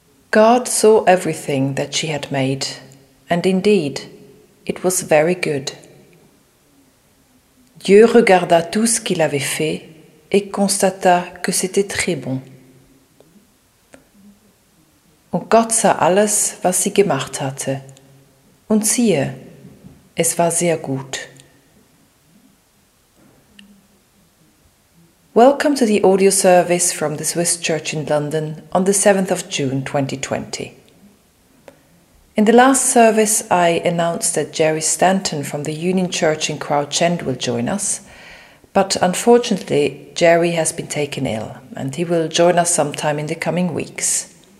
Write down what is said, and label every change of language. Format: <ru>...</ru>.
<en>God saw everything that she had made, and indeed, it was very good.</en> <fr>Dieu regarda tout ce qu'il avait fait et constata que c'était très bon.</fr> <de>Und Gott sah alles, was sie gemacht hatte, und siehe, es war sehr gut.</de> <en>Welcome to the audio service from the Swiss Church in London on the 7th of June 2020. In the last service, I announced that Jerry Stanton from the Union Church in Crouch End will join us, but unfortunately, Jerry has been taken ill and he will join us sometime in the coming weeks.</en>